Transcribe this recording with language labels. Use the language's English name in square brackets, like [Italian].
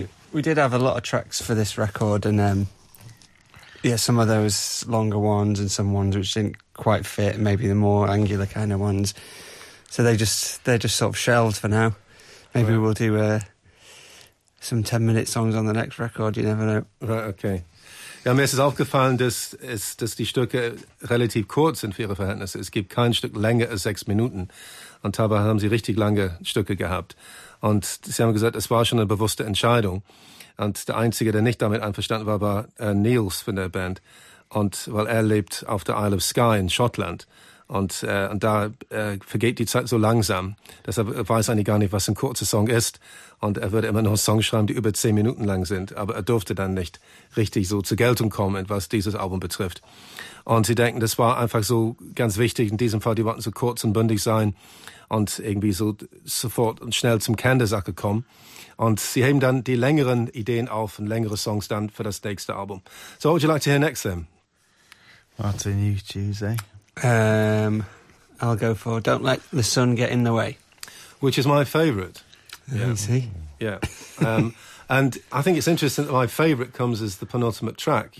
[English] Yeah, we did have a lot of tracks for this record, and some of those longer ones and some ones which didn't quite fit, maybe the more angular kind of ones. So they're just sort of shelved for now. Maybe we'll do some 10-minute songs on the next record, you never know. Right, okay. [German] Ja, mir ist es aufgefallen, dass die Stücke relativ kurz sind für ihre Verhältnisse. Es gibt kein Stück länger als 6 Minuten. Und dabei haben sie richtig lange Stücke gehabt. Und sie haben gesagt, es war schon eine bewusste Entscheidung. Und der Einzige, der nicht damit einverstanden war, war Niels von der Band. Und weil er lebt auf der Isle of Skye in Schottland. und da vergeht die Zeit so langsam. Deshalb weiß eigentlich gar nicht, was ein kurzer Song ist. Und er würde immer noch Songs schreiben, die über 10 Minuten lang sind. Aber er durfte dann nicht richtig so zur Geltung kommen, was dieses Album betrifft. Und sie denken, das war einfach so ganz wichtig. In diesem Fall, die wollten so kurz und bündig sein und irgendwie so sofort und schnell zum Kern der Sache kommen. Und sie heben dann die längeren Ideen auf und längere Songs dann für das nächste Album. [English] So, what would you like to hear next, then? Martin, you choose, eh? I'll go for Don't Let the Sun Get in the Way. Which is my favourite. Yeah. You see? Yeah. And I think it's interesting that my favourite comes as the penultimate track.